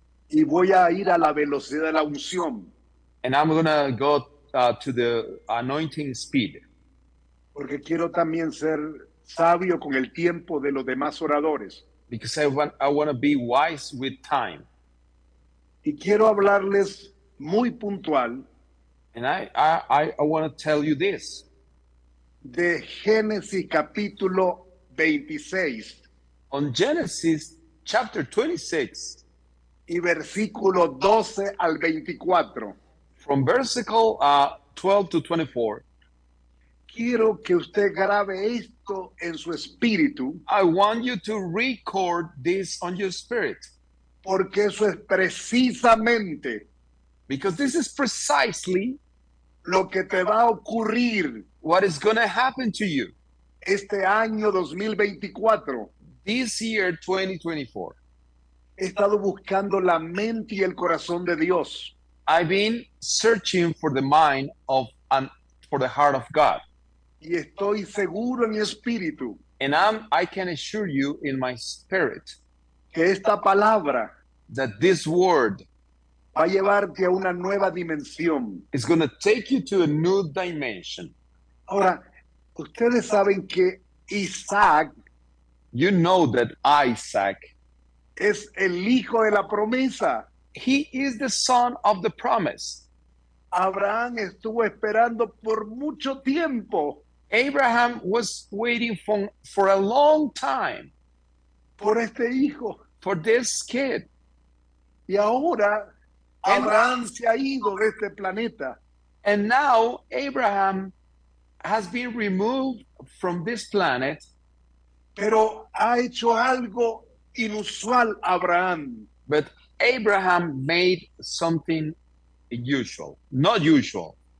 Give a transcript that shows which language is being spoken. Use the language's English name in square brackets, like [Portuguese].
[Spanish] Y voy a ir a la velocidad de la unción. [English] And I'm going to go to the anointing speed. [Spanish] Porque quiero también ser sabio con el tiempo de los demás oradores. [English] Because I want to be wise with time. [Spanish] Y quiero hablarles muy puntual. [English] And I want to tell you this. [Spanish] De Génesis capítulo 26. [English] On Genesis chapter 26. [Spanish] Y versículo 12 al 24. [English] From versículo 12 to 24. [Spanish] Quiero que usted grabe esto en su espíritu. [English] I want you to record this on your spirit. [Spanish] Porque eso es precisamente. [English] Because this is precisely. [Spanish] Lo que te va a ocurrir. [English] What is going to happen to you. [Spanish] Este año 2024. [English] This year 2024. [Spanish] He estado buscando la mente y el corazón de Dios. [English] I've been searching for the mind of and for the heart of God. [Spanish] Y estoy seguro en mi espíritu. [English] And I can assure you in my spirit. [Spanish] Que esta palabra. [English] That this word. [Spanish] Va a llevarte a una nueva dimensión. [English] It's going to take you to a new dimension. [Spanish] Ahora, ustedes saben que Isaac. [English] You know that Isaac. [Spanish] Es el hijo de la promesa. [English] He is the son of the promise. [Spanish] Abraham estuvo esperando por mucho tiempo. [English] Abraham was waiting for a long time. [Spanish] Por este hijo. [English] For this kid. [Spanish] Y ahora Abraham se ha ido de este planeta. [English] And now Abraham has been removed from this planet. [Spanish] Pero ha hecho algo inusual, Abraham. [English] But Abraham made something usual, not usual.